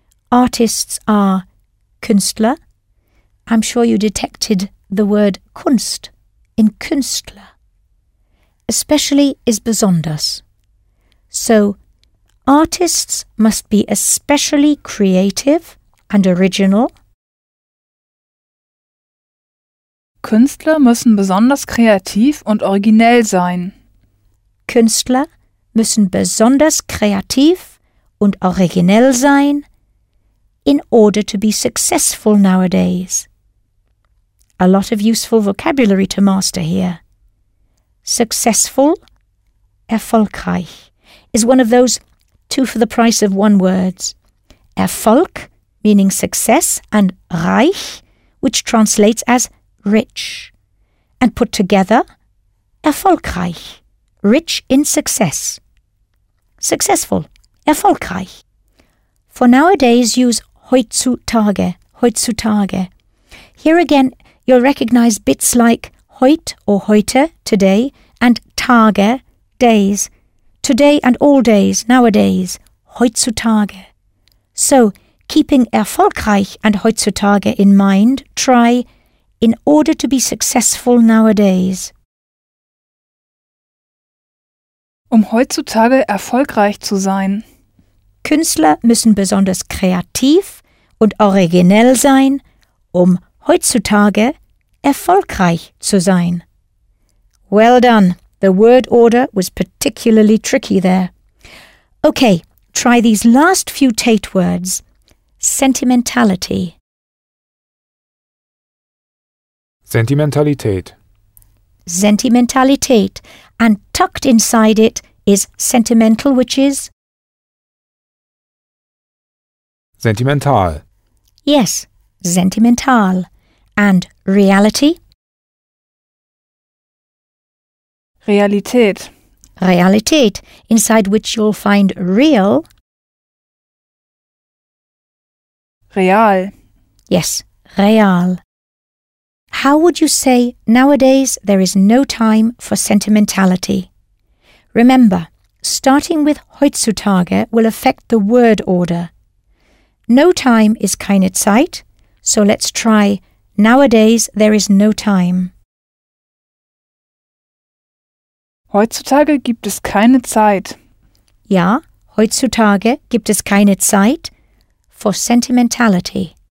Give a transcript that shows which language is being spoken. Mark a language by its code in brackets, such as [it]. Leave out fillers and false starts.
[en] Artists are Künstler. I'm sure you detected the word Kunst in Künstler. Especially is besonders. So, artists must be especially creative and original. [de] Künstler müssen besonders kreativ und originell sein. Künstler müssen besonders kreativ und originell sein, [en] in order to be successful nowadays. A lot of useful vocabulary to master here. Successful, erfolgreich, is one of those two for the price of one words. Erfolg, meaning success, and reich, which translates as rich. And put together, erfolgreich, rich in success. Successful, erfolgreich. For nowadays, use heutzutage, heutzutage. Here again, you'll recognize bits like heut or heute, today, and Tage, days. Today and all days, nowadays, heutzutage. So, keeping erfolgreich and heutzutage in mind, try in order to be successful nowadays. [de] Um heutzutage erfolgreich zu sein. Künstler müssen besonders kreativ und originell sein, um heutzutage erfolgreich zu sein. [en] Well done. The word order was particularly tricky there. Okay, try these last few Tate words. Sentimentality. [de] Sentimentalität. Sentimentalität. [en] And tucked inside it is sentimental, which is? Sentimental. Yes, sentimental. And reality? [de] Realität. [en] Realität, inside which you'll find real. Real. Yes, real. How would you say nowadays there is no time for sentimentality? Remember, starting with heutzutage will affect the word order. No time is keine Zeit, so let's try nowadays there is no time. [de] Heutzutage gibt es keine Zeit. Ja, heutzutage gibt es keine Zeit [en] for sentimentality.